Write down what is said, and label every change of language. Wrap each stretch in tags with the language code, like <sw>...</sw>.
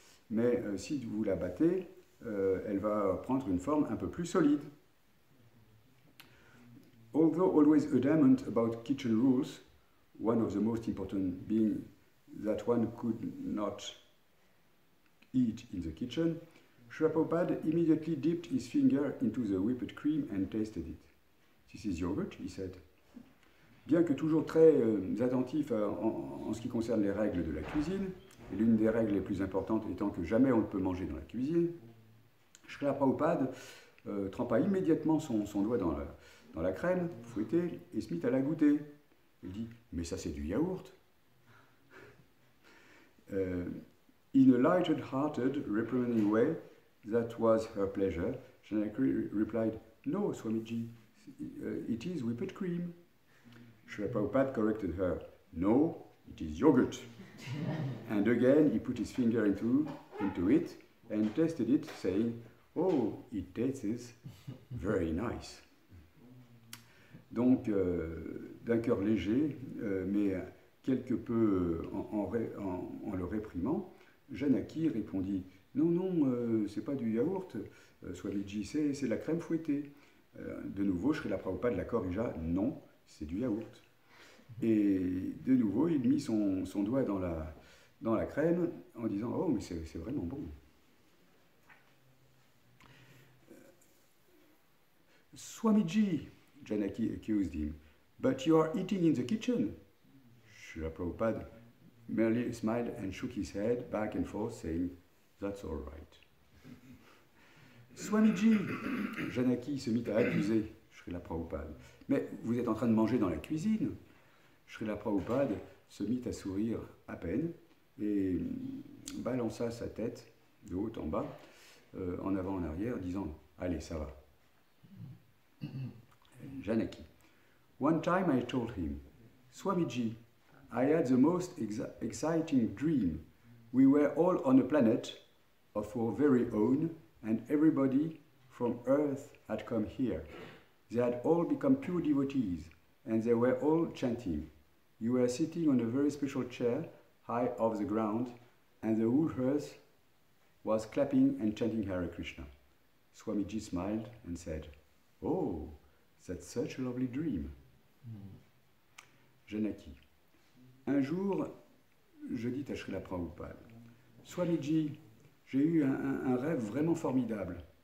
<fr>"Mais si vous la battez, elle va prendre une forme un peu plus solide."</fr> <en>Although always adamant about kitchen rules, one of the most important being that one could not eat in the kitchen, Srila Prabhupada immediately dipped his finger into the whipped cream and tasted it. "This is yogurt," he said.</en> <fr>Bien que toujours très attentif en ce qui concerne les règles de la cuisine, et l'une des règles les plus importantes étant que jamais on ne peut manger dans la cuisine, Srila Prabhupada trempa immédiatement son doigt dans la crème fouettée et se mit à la goûter. Il dit, "Mais ça c'est du yaourt."</fr> <en>In a light-hearted, reprimanding way, that was her pleasure, Janaki replied, "No, Swamiji, it is whipped cream." Srila Prabhupada corrected her, "No, it is yogurt." And again, he put his finger into it and tested it, saying, "Oh, it tastes very nice."</en> <fr>Donc, d'un cœur léger, mais quelque peu en le réprimant, Janaki répondit, non, c'est pas du yaourt, Swamiji, c'est de la crème fouettée." De nouveau, Srila Prabhupada la corrigea, "Non, c'est du yaourt." Et de nouveau, il mit son doigt dans la crème en disant, "Oh, mais c'est vraiment bon."</fr> <en>Swamiji, Janaki accused him, "but you are eating in the kitchen." Srila Prabhupada merely smiled and shook his head back and forth, saying, "That's all right."</en> <fr>Swamiji, Janaki se mit à accuser Srila Prabhupada, "mais vous êtes en train de manger dans la cuisine." Srila Prabhupada se mit à sourire à peine et balança sa tête de haut en bas, en avant en arrière, disant, "Allez, ça va."</fr> <en>Janaki, "One time I told him, 'Swamiji, I had the most exciting dream. We were all on a planet of our very own, and everybody from Earth had come here. They had all become pure devotees, and they were all chanting. You were sitting on a very special chair, high off the ground, and the whole earth was clapping and chanting Hare Krishna.' Swamiji smiled and said, 'Oh, that's such a lovely dream.'" Mm.</en> <fr>Janaki, "un jour, je dis à Srila Prabhupada, 'Swamiji, j'ai eu un rêve vraiment formidable.</fr>